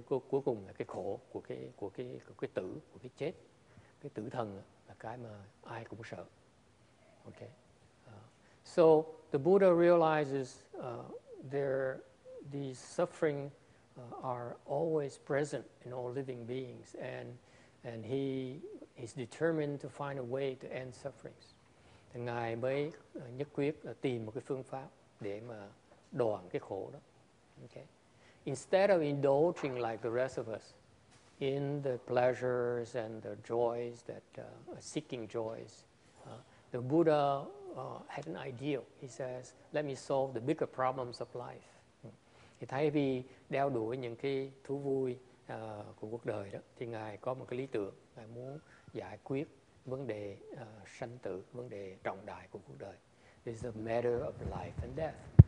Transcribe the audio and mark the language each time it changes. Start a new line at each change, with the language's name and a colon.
Vietnamese: Cuối cùng là cái khổ của cái tử, của cái chết. Cái tử thần là cái mà ai cũng sợ.
English: Okay. So the Buddha realizes these suffering are always present in all living beings, and he is determined to find a way to end sufferings.
Vietnamese: Thì ngài mới nhất quyết là tìm một cái phương pháp để mà đoạn cái khổ đó.
English: Okay. Instead of indulging like the rest of us in the pleasures and the joys that seeking joys, the Buddha had an ideal. He says, let me solve the bigger problems of life.
Vietnamese: Thì thay vì đeo đuổi những cái thú vui của cuộc đời đó, thì ngài có một cái lý tưởng, ngài muốn giải quyết vấn đề sanh tử, vấn đề trọng đại của cuộc đời.
English: This is a matter of life and death.